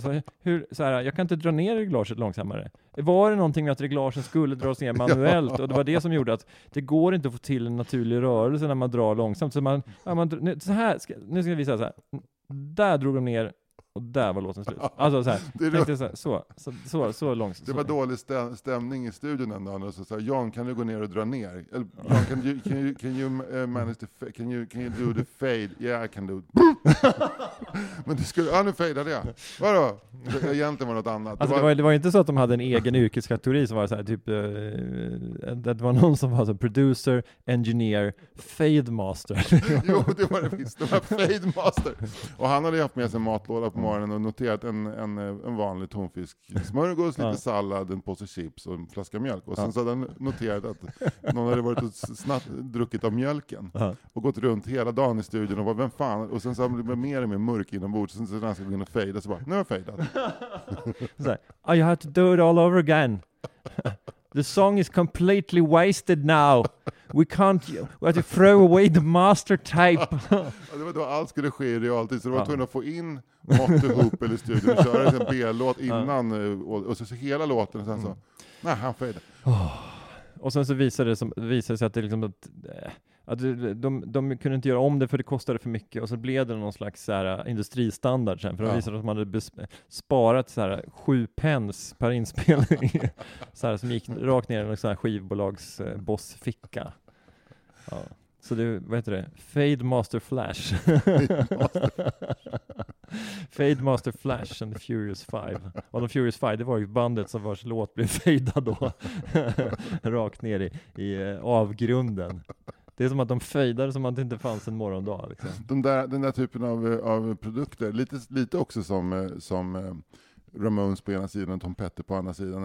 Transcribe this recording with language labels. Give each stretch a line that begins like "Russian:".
Swedish: Så hur, så här, jag kan inte dra ner reglaget långsammare. Var det någonting med att reglagen skulle dras ner manuellt, och det var det som gjorde att det går inte att få till en naturlig rörelse när man drar långsamt. Så man, ja, man, nu, så här, nu ska jag visa så här. Där drog de ner och där var låten slut. Alltså så här, så långt. Det var så. Dålig stämning i studion ändå, och så sa Jan, kan du gå ner och dra ner?
English: Eller Jan, can you manage to can you do the fade? Yeah, I can do.
Swedish: Men du skulle aldrig fade det. Vadå? Egentligen var något annat. Alltså, det var inte så att de hade en egen yrkeskategori som var så här typ det var någon som var så producer, engineer, fade master. Jo, det var det visst. Det var fade master. Och han hade haft med sig matlåda på morgonen och noterat en vanlig tonfisk smörgås, lite sallad, en påse chips och en flaska mjölk. Och sen så hade han noterat att någon hade varit och snabbt druckit av mjölken och gått runt hela dagen i studion och bara, vem fan? Och sen så hade han blivit mer och mer mörk inombords, och sen så hade han ska gå in och fejda, så bara, nu har jag fejdat. Så här,
English: I have to do it all over again. The song is completely wasted now. We have to throw away the master tape.
Swedish: Ja, det var då allt skulle ske i realtid. Så det var tvungen att få in Motte Hoop eller studion och köra en B-låt innan. Och så hela låten. Och sen så, nej, han fejde. Och sen så visade det sig att det liksom att de kunde inte göra om det för det kostade för mycket, och så blev det någon slags så här industristandard sen, för de visade att man hade sparat så här 7 pence per inspelning så här, som gick rakt ner i någon så här skivbolags bossficka. Ja. Så det, vad heter det? Fade Master Flash.
English: Fade Master Flash and the Furious Five.
Swedish: Och the Furious Five, det var ju bandet som vars låt blev fadead då rakt ner i avgrunden. Det är som att de fejdade som att det inte fanns en morgondag. Liksom. Den där typen av produkter, lite också som Ramones på ena sidan och Tom Petty på andra sidan.